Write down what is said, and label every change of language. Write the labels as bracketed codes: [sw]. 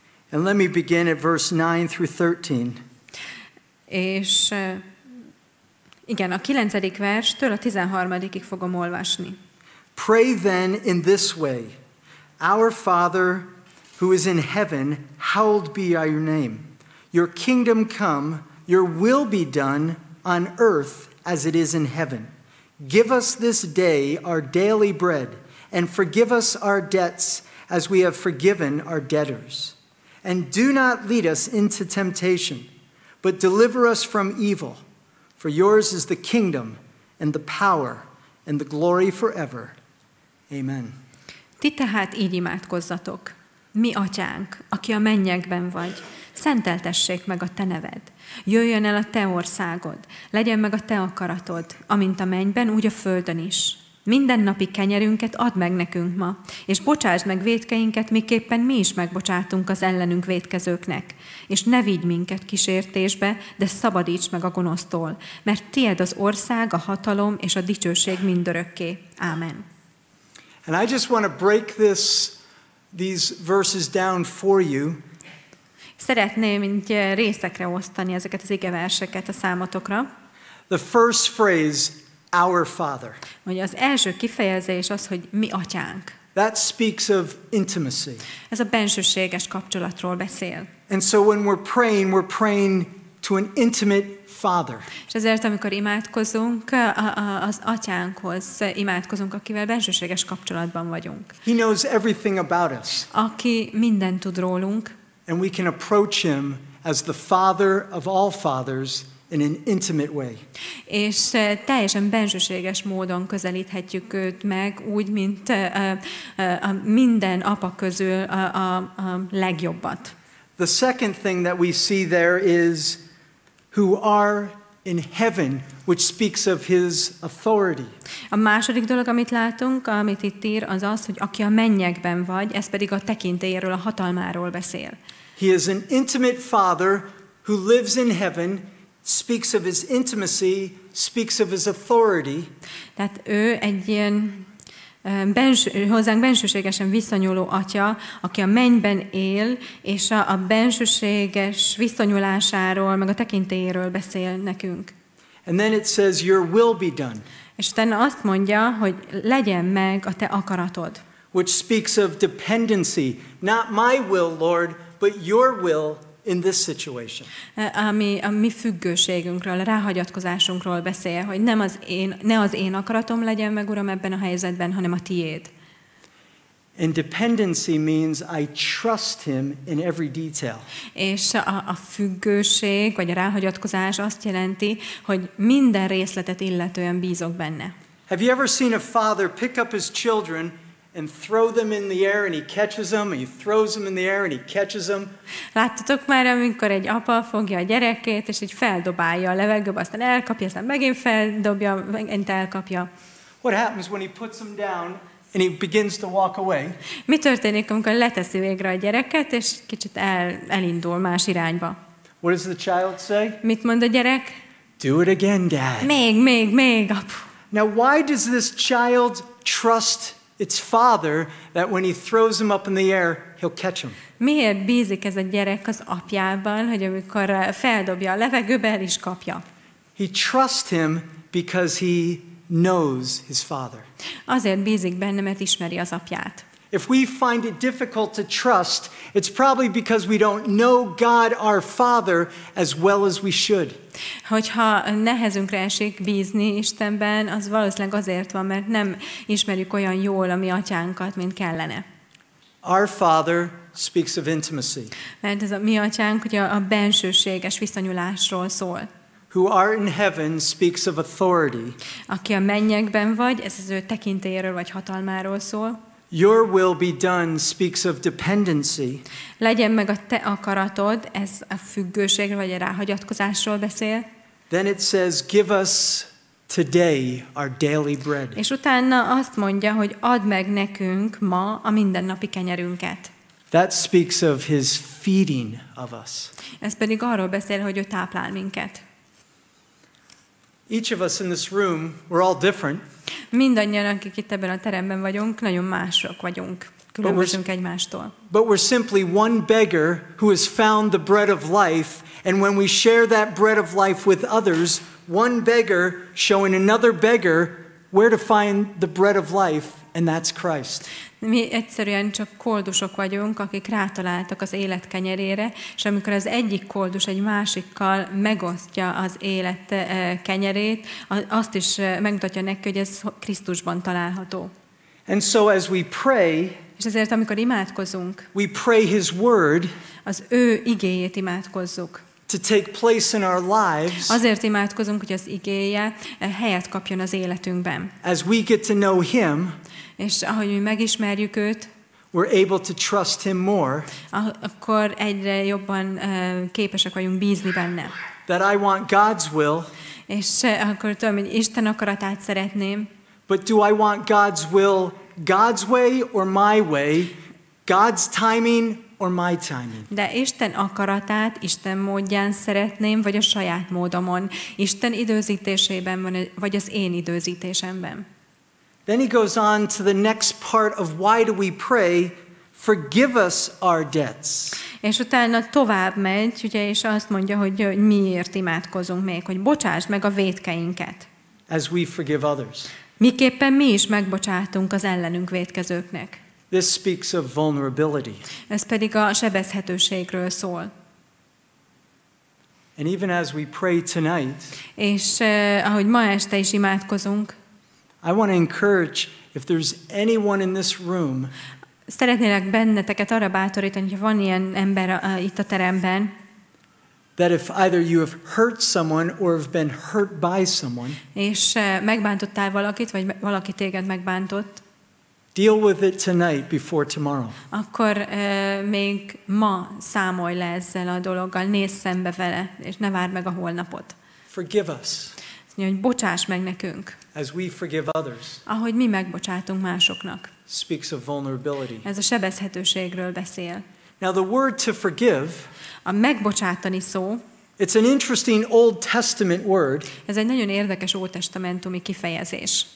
[en] And let me begin at verse 9 through 13. [hu] És igen, a 9. verstől a 13-ig fogom olvasni. [en] Pray then in this way. Our Father who is in heaven, hallowed be your name. Your kingdom come, your will be done on earth as it is in heaven. Give us this day our daily bread, and forgive us our debts as we have forgiven our debtors. And do not lead us into temptation, but deliver us from evil. For yours is the kingdom and the power and the glory forever. Amen. [hu] Ti tehát így imádkozzatok. Mi atyánk, aki a mennyekben vagy, szenteltessék meg a te neved. Jöjjön el a te országod, legyen meg a te akaratod, amint a mennyben, úgy a földön is. Minden napi kenyerünket add meg nekünk ma, és bocsásd meg vétkeinket, miképpen mi is megbocsátunk az ellenünk vétkezőknek. És ne vigy minket kísértésbe, de szabadíts meg a gonosztól, mert tied az ország, a hatalom és a dicsőség mindörökké. Amen. [en] And I just want to break these verses down for you. [hu] Szeretném mint részekre osztani ezeket az igeverseket a számotokra. [en] The first phrase, our Father. [hu] Ugye az első kifejezés az, hogy mi atyánk. [en] That speaks of intimacy. [hu] Ez a bensőséges kapcsolatról beszél. [en] And so when we're praying to an intimate Father. [hu] És ezért, amikor imádkozunk, az atyánkhoz imádkozunk, akivel bensőséges kapcsolatban vagyunk. [en] He knows everything about us. [hu] Aki mindent tud rólunk. [en] And we can approach him as the father of all fathers in an intimate way. [hu] És teljesen bensőséges módon közelíthetjük őt meg, úgy, mint a minden apa közül a legjobbat. [en] The second thing that we see there is who are in heaven, which speaks of his authority. [hu] A második dolog, amit látunk, amit itt ír, az az, hogy aki a mennyekben vagy, ez pedig a tekintélyéről, a hatalmáról beszél. [en] He is an intimate father who lives in heaven, speaks of his intimacy, speaks of his authority. [hu] Tehát ő egy ilyen hozzánk bensőségesen viszonyuló atya, aki a mennyben él, és a bensőséges viszonyulásáról, meg a tekintélyéről beszél nekünk. [en] And then it says, your will be done. [hu] És utána azt mondja, hogy legyen meg a te akaratod. [en] Which speaks of dependency, not my will, Lord, but your will in this situation. [hu] A mi függőségünkről, a ráhagyatkozásunkról beszél, hogy ne az én akaratom legyen meg, Uram, ebben a helyzetben, hanem a tiéd. [en] And dependency means I trust him in every detail. [hu] És a függőség, vagy a ráhagyatkozás azt jelenti, hogy minden részletet illetően bízok benne. [en] Have you ever seen a father pick up his children and throw them in the air and he catches them, and he throws them in the air and he catches them. [hu] Láttatok már, amikor egy apa fogja a gyerekét és így feldobálja a levegőbe, aztán elkapja, aztán megint feldobja, megint elkapja. [en] What happens when he puts them down and he begins to walk away? [hu] Mi történik, amikor leteszi végre a gyereket és kicsit elindul más irányba? [en] What does the child say? [hu] Mit mond a gyerek? [en] Do it again, Dad. [hu] Még, apu. [en] Now, why does this child trust its father that when he throws him up in the air, he'll catch him? [hu] Miért bízik ez a gyerek az apjában, hogy amikor feldobja a levegőbe, el is kapja? [en] He trusts him because he knows his father. [hu] Azért bízik benne, mert ismeri az apját. [en] If we find it difficult to trust, it's probably because we don't know God our Father as well as we should. [hu] Hogyha nehezünkre esik bízni Istenben, az valószínűleg azért van, mert nem ismerjük olyan jól a mi atyánkat, mint kellene. [en] Our Father speaks of intimacy. [hu] Mert ez a mi atyánk ugye a bensőséges viszonyulásról szól. [en] Who art in heaven speaks of authority. [hu] Aki a mennyekben vagy, ez az ő tekintélyéről vagy hatalmáról szól. [en] Your will be done speaks of dependency. [hu] Legyen meg a te akaratod, ez a függőségről vagy a ráhagyatkozásról beszél. [en] Then it says, give us today our daily bread. [hu] És utána azt mondja, hogy add meg nekünk ma a mindennapi kenyerünket. [en] That speaks of his feeding of us. [hu] Ez pedig arról beszél, hogy ő táplál minket. [en] Each of us in this room, we're all different. [hu] Mindannyian, akik itt ebben a teremben vagyunk, nagyon mások vagyunk, különbözünk egymástól. [en] But we're simply one beggar who has found the bread of life, and when we share that bread of life with others, one beggar showing another beggar where to find the bread of life, and that's Christ. [hu] Mi egyszerűen csak koldusok vagyunk, akik rátaláltak az élet kenyerére, és amikor az egyik koldus egy másikkal megosztja az élet kenyerét, azt is megmutatja neki, hogy ez Krisztusban található. [en] And so as we pray, [hu] és ezért amikor imádkozunk, [en] we pray his word, [hu] az ő igéjét imádkozzuk. [en] To take place in our lives. [hu] Azért imádkozunk, hogy az igéje helyet kapjon az életünkben. [en] As we get to know him, [hu] és ahogy mi megismerjük őt, [en] we're able to trust him more. [hu] Akkor egyre jobban képesek vagyunk bízni benne. [en] That I want God's will. [hu] És akkor tudom, hogy Isten akaratát szeretném. [en] But do I want God's will God's way or my way? God's timing or my timing? [hu] De Isten akaratát Isten módján szeretném, vagy a saját módomon? Isten időzítésében van, vagy az én időzítésemben? [en] Then he goes on to the next part of why do we pray, forgive us our debts. [hu] És utána tovább megy, ugye, és azt mondja, hogy miért imádkozunk még, hogy bocsásd meg a vétkeinket. [en] As we forgive others. [hu] Miképpen mi is megbocsátunk az ellenünk vétkezőknek. [en] This speaks of vulnerability. [hu] Ez pedig a sebezhetőségről szól. [en] And even as we pray tonight, [hu] és ahogy ma este is imádkozunk, [en] I want to encourage if there's anyone in this room. [hu] Szeretnélek benneteket arra bátorítani, hogy van ilyen ember itt a teremben. [en] That if either you have hurt someone or have been hurt by someone. [hu] És megbántottál valakit, vagy valaki téged megbántott. [en] Deal with it tonight before tomorrow. [hu] Akkor még ma számolj le ezzel a dologgal, nézz szembe vele, és ne várd meg a holnapot. [en] Forgive us. [hu] Hogy bocsáss meg nekünk. [en] As we forgive others. [hu] Ahogy mi megbocsátunk másoknak. [en] Speaks of vulnerability. [hu] Ez a sebezhetőségről beszél. [en] Now the word to forgive. [hu] A megbocsátani szó. [en] It's an interesting Old Testament word. [hu] Ez egy nagyon érdekes ótestamentumi kifejezés.